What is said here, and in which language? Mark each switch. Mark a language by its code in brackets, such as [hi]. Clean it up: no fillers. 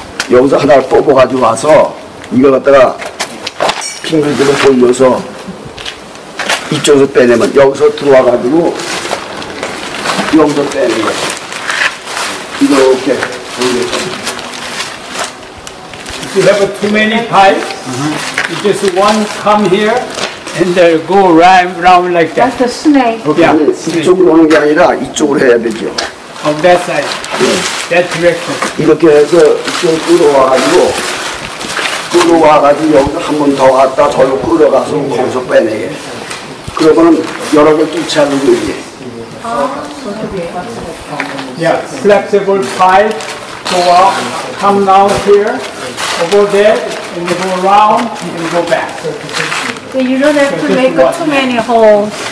[ko] 여기서 하나를 뽑아가지고 와서 이걸 갖다가 핑글들을 돌려서 이쪽에서 빼내면 여기서 들어와가지고 여기서 빼내는 거야. 이렇게 돌려서. [en] If you have too many pipes, you just one come here and they go round like that. That's a snake. Okay. [ko] 아니, 이쪽으로 오는 게 아니라 이쪽으로 해야 되죠. [en] On that side. That direction. [ko] 이렇게 해서 이쪽 끌어와가지고 끌어와가지고 여기서 한 번 더 왔다 저로 끌어가서 거기서 빼내게. 그러면 여러 개 뚫지 않는 거지. [en] Yeah, flexible pipe go up, come down here, over there, and go around and go back. So you don't have to make too many holes.